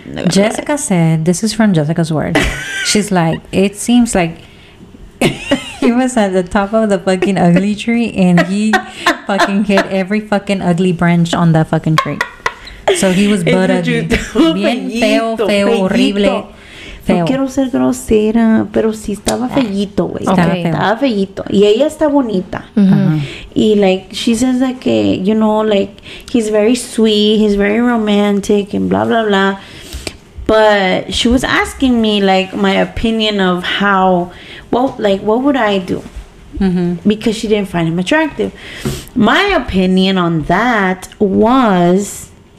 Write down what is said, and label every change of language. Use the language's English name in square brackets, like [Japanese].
[English] Jessica said, this is from Jessica's word. She's like, it seems like he was at the top of the fucking ugly tree and he fucking hit every fucking ugly branch on that fucking tree. So he was butt ugly. [Spanish] Bien feo, feo, horrible. Feo. No quiero ser grosera, pero sí estaba feíto, güey. Okay. Estaba feíto. Y ella está bonita. Y [English] like, she says that, [Spanish] que, [English] you know, like, he's very sweet, he's very romantic, and blah, blah, blah. But she was asking me, like, my opinion of how, well, like, what would I do? Because she didn't find him attractive. My opinion on that was...